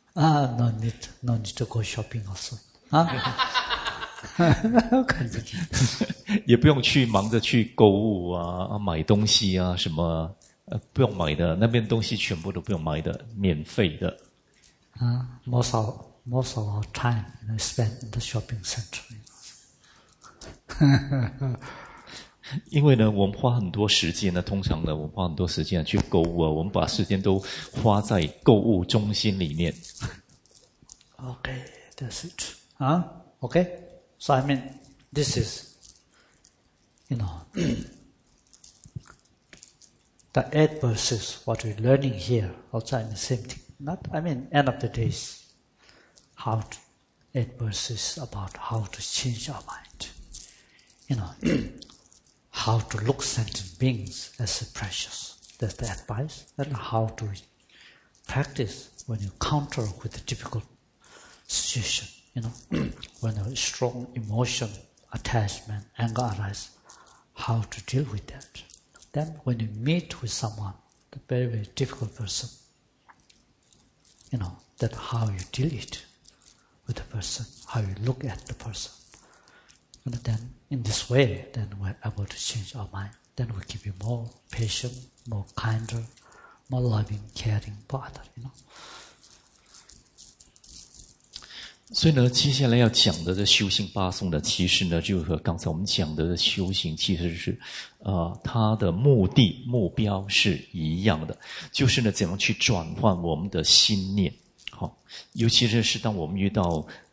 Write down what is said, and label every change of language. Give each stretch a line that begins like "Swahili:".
English: No need to go shopping also.
Chinese: 啊，肯定。也不用去忙着去购物啊，买东西啊什么，不用买的，那边东西全部都不用买的，免费的。
English: Most of our time we spend in the shopping center.
Chinese: 因为呢，我们花很多时间呢，通常呢，我们花很多时间去购物啊，我们把时间都花在购物中心里面。
English: Okay, that's it. Okay. So I mean, this is, you know, the eight verses what we're learning here. Also, I mean, same thing. Not, I mean, end of the days, how to, eight verses about how to change our mind. You know. How to look sentient beings as precious. That's the advice. And how to practice when you counter with a difficult situation. You know, when a strong emotion, attachment, anger arise, how to deal with that. Then when you meet with someone, the very, very difficult person, you know, that how you deal it with the person, how you look at the person. And then, in this way, then we're able to change our mind. Then we can be more patient, more kinder, more loving, caring for others, you know.
Chinese: 所以呢，接下来要讲的这修行八颂呢，其实呢，就和刚才我们讲的修行其实是，它的目的、目标是一样的，就是呢，怎样去转换我们的心念。好，尤其是当我们遇到